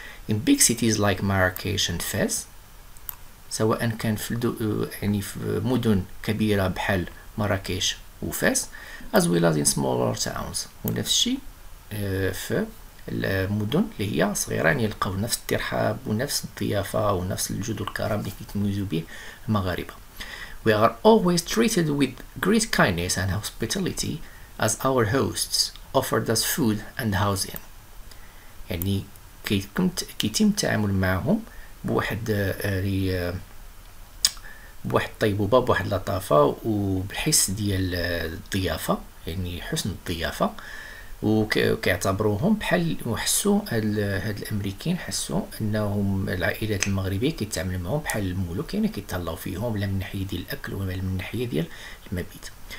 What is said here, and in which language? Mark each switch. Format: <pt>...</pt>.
<en>In big cities like Marrakech and Fez,</en> <ar>سواء كان في يعني في مدن كبيرة بحال مراكش وفاس,</ar> <en>as well as in smaller towns.</en> <ar>ونفس الشيء في المدن اللي هي صغيرة يعني يلقاو نفس الترحاب ونفس الضيافة ونفس الجود والكرم اللي كيتميزوا به المغاربة.</ar> <en>We are always treated with great kindness and hospitality as our hosts offered us food and housing.</en> <ar>يعني كيتم التعامل معهم بواحد بواحد الطيبوبة بواحد اللطافة وبالحس ديال الضيافة، يعني حسن الضيافة، وكيعتبروهم بحال وحسوا هاد الامريكان حسوا انهم العائلات المغربية كيتعاملوا معاهم بحال الملوك، يعني كيتهلاو فيهم لا من ناحية ديال الاكل ولا من ناحية ديال المبيت.</ar>